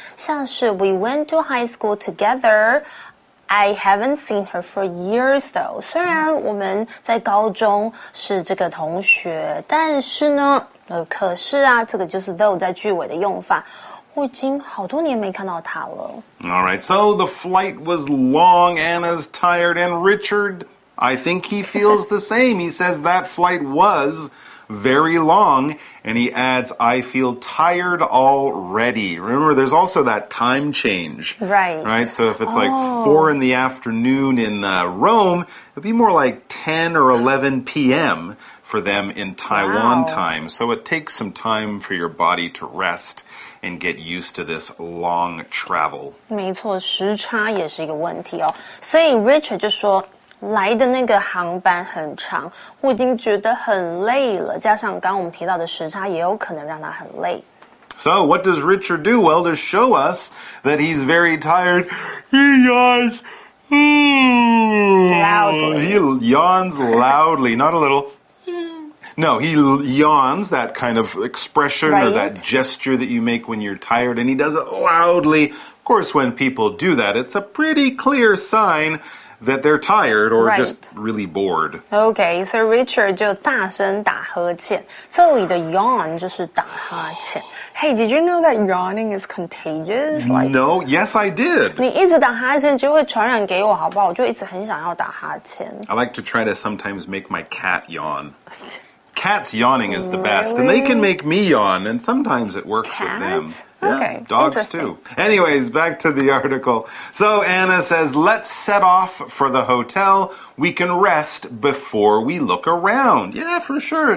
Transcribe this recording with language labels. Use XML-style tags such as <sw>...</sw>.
<zh>像是</zh> <en>we went to high school together,I haven't seen her for years, though.</en> <zh>虽然我们在高中是这个同学，但是呢，可是啊，这个就是 though 在句尾的用法。我已经好多年没看到她了。</zh> <en>All right, so the flight was long, Anna's tired, and Richard, I think he feels the same. He says that flight was very long, and he adds, I feel tired already. Remember, there's also that time change. Right. Right? So if it's like 4 in the afternoon in Rome, it'd be more like 10 or 11 p.m. for them in Taiwan time. So it takes some time for your body to rest and get used to this long travel.</en> <zh>没错,时差也是一个问题哦。所以 Richard 就说来的那个航班很长，我已经觉得很累了。加上刚刚我们提到的时差，也有可能让他很累。</zh> <en>So what does Richard do? Well, to show us that he's very tired, he yawns. Loudly. He yawns loudly, not a little. No, he yawns, that kind of expression, right? Or that gesture that you make when you're tired, and he does it loudly. Of course, when people do that, it's a pretty clear sign that they're tired or just really bored. Okay, so</en> <zh>Richard 就大声打呵欠。这里的 yawn 就是打呵欠。</zh> <en>Hey, did you know that yawning is contagious? No, yes, I did.</en> <zh>你一直打哈欠就会传染给我好不好？我就一直很想要打哈欠。</zh> <en>I like to try to sometimes make my cat yawn. Cats yawning is the best, and they can make me yawn, and sometimes it works with them. Yeah, okay, dogs too. Anyways, back to the article. So Anna says, let's set off for the hotel. We can rest before we look around. Yeah, for sure.</en>